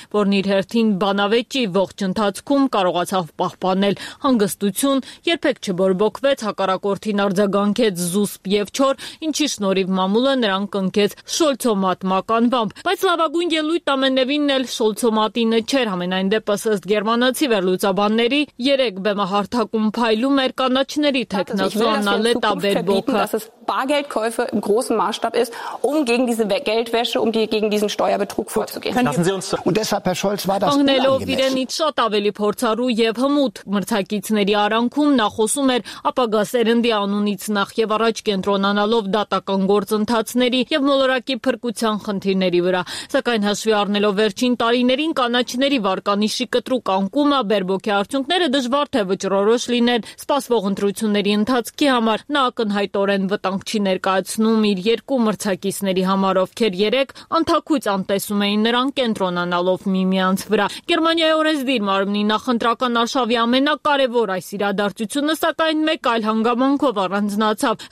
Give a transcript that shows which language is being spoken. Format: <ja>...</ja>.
<hy>որն իր հերթին բանավեճի ողջ ընթացքում կարողացավ պահպանել հանգստություն, երբեք չբորբոքվեց, հակառակորդին արձագանքեց զուսպ և չոր, ինչի շնորհիվ մամուլը նրան կնքեց շոլցոմատմականվամբ։ Բայց լավագույն ելույթ ամենևին էլ շոլցոմատինը չէր, համենայն դեպս ըստ գերմանացի վերլուծաբանների երեք բեմահարթակում փայլում էր կանաչների թեկնածու Անալետա Բերբոքը։</hy> <de>Bargeldkäufe im großen Maßstab ist, um gegen diese Geldwäsche, um gegen diesen Steuerbetrug vorzugehen. Lassen Sie uns. Und deshalb, Herr Scholz, war das unangemessen.</de> <hy>Իրենից շատ ավելի փորձառու և հմուտ մրցակիցների արանքում նա խոսում էր ապագա սերնդի անունից նախ և առաջ կենտրոնանալով դատական գործընթացների և մոլորակի փրկության խնդիրների վրա, սակայն հաշվի առնելով վերջին տարիներին կանաչների վարկանիշի կտրուկ անկումը, Բերբոքի արդյունքները դժվար թե վճռորոշ լինեն սպասվող ընտրությունների ընթացքի համար, նա ակնհայտորեն վտանգ չի ներկայացնում իր երկու մրցակիցների համար, ովքեր երեք անթաքույց անտեսում էին նրան կենտրոնանալով միմյանց վրա։ Գերմանիայի օրենսդիր մարմնի նախընտրական արշավի ամենակարևոր այս իրադարձությունը, սակայն մեկ այլ հանգամանքով առանձնացավ.</hy>